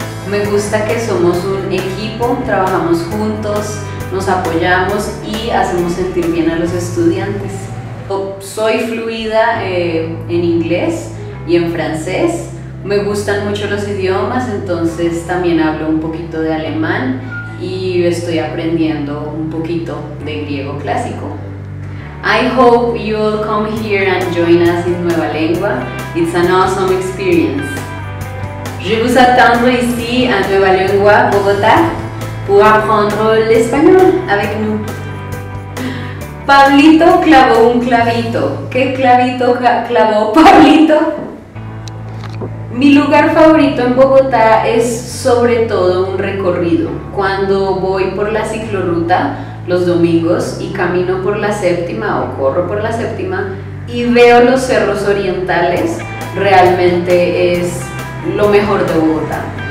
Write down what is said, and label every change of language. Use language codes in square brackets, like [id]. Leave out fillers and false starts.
[es] Me gusta que somos un equipo, trabajamos juntos, nos apoyamos y hacemos sentir bien a los estudiantes. Soy fluida en inglés y en francés. Me gustan mucho los idiomas, entonces también hablo un poquito de alemán y estoy aprendiendo un poquito de griego clásico. [en] I hope you will come here and join us in Nueva Lengua. It's an awesome experience. [fr] Je vous attends ici à Nueva Lengua, Bogotá, pour apprendre l'espagnol avec nous. [es] Pablito clavó un clavito. ¿Qué clavito clavó Pablito? Mi lugar favorito en Bogotá es sobre todo un recorrido. Cuando voy por la ciclorruta los domingos y camino por la séptima o corro por la séptima y veo los cerros orientales, realmente es lo mejor de Bogotá.